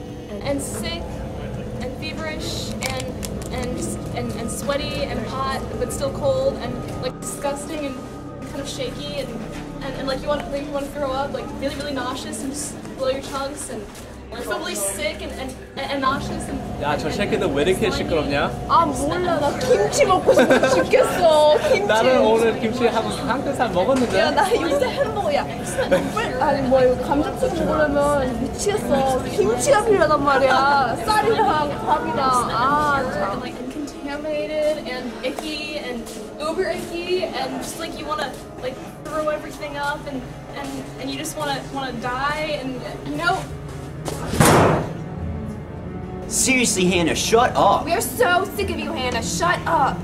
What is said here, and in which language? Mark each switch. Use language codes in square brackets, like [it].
[en] and sick and feverish and sweaty and hot but still cold and like disgusting and kind of shaky and like you want to throw up, like really really nauseous and just blow your chunks and probably sick and nauseous and [ko] yeah, 저 책에도 왜 이렇게 시끄럽냐? 아 몰라 나 김치 먹고 죽겠어 김치 나는 오늘 김치 한 끗살 먹었는데 야 나 요새 햄버거야 아니 뭐 이거 감자튀김 먹으려면 미치겠어 김치가 필요하단 말이야 쌀이랑 밥이나 아 참 [en] contaminated and icky and uber icky and just like you want to like throw everything up and you just want to die and you know. Seriously, Hannah, shut up. We are so sick of you, Hannah. Shut up.